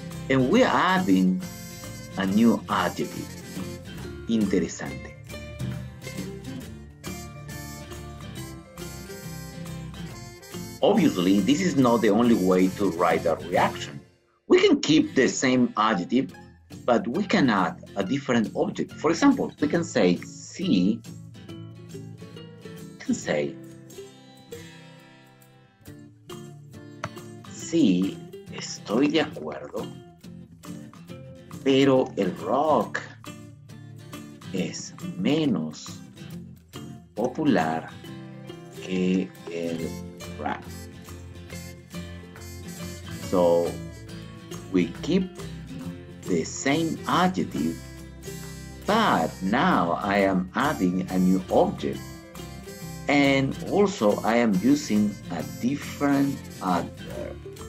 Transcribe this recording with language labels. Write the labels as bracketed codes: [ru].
[en] And we are adding a new adjective, interesante. Obviously, this is not the only way to write a reaction. We can keep the same adjective, but we can add a different object. For example, we can say, see, we can say, [es] sí, estoy de acuerdo, pero el rock es menos popular que el rap. [en] So, we keep the same adjective, but now I am adding a new object. And also I am using a different adverb.